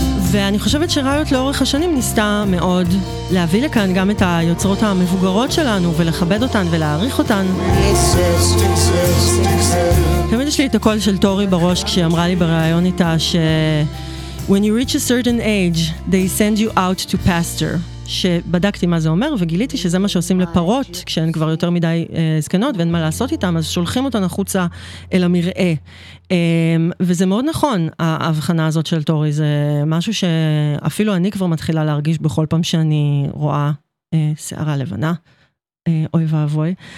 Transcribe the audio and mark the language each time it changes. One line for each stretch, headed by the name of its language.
Hebrew: ואני חושבת שראיות לאורך השנים ניסתה מאוד להביא לכאן גם את היוצרות המבוגרות שלנו ולכבד אותן ולהעריך אותן. תמיד יש לי את הקול של טורי בראש כשהיא אמרה לי בראיון איתה ש...
English: When you reach a certain age, they send you out to pasture.
Hebrew: שבדקתי מה זה אומר וגיליתי שזה מה שעושים לפרות כשהן כבר יותר מדי זקנות ואין מה לעשות איתם, אז שולחים אותן החוצה אל המראה. וזה מאוד נכון, ההבחנה הזאת של טורי, זה משהו שאפילו אני כבר מתחילה להרגיש בכל פעם שאני רואה שערה לבנה, אוי ואבוי.